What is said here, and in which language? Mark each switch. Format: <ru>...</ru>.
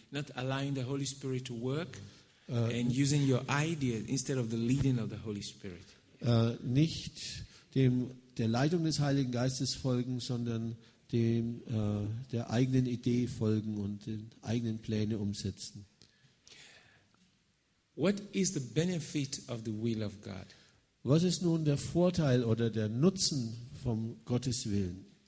<en>Not allowing the Holy Spirit to work and using your idea instead of the leading of the Holy Spirit.</en> <de>Nicht dem der Leitung des Heiligen Geistes folgen, sondern dem der eigenen Idee folgen und den eigenen Pläne umsetzen.</de> <en>What is the benefit of the will of God?</en> <de>Was ist nun der Vorteil oder der Nutzen vom Gottes Willen?</de>